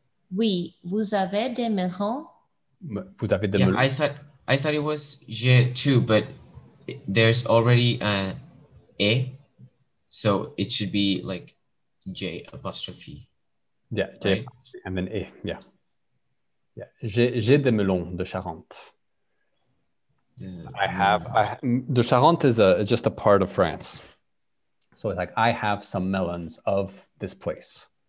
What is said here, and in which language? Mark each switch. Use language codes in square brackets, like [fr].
[fr] Oui, vous avez des melons? Vous avez des melons? [en] I thought it was j'ai too, but there's already a, so it should be like j' apostrophe. Yeah, j', right? And then a, yeah. [fr] Yeah, j'ai des melons de Charente. [en] De Charente is just a part of France. So it's like, I have some melons of this place.